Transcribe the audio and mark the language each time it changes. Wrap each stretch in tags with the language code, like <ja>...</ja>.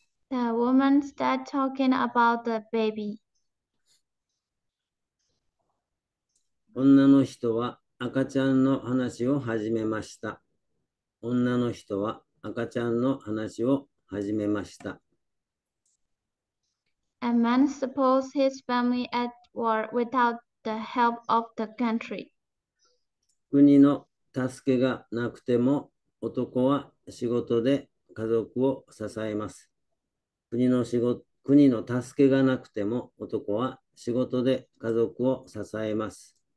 <en>The woman started talking about the baby.</en> <ja>女の人は赤ちゃんの話を始めました。女の人は赤ちゃんの話を始めました。</ja> <en>A man supports his family at war without the help of the country.</en> <ja>国の助けがなくても男は仕事で家族を支えます。国の助けがなくても男は仕事で家族を支えます。</ja>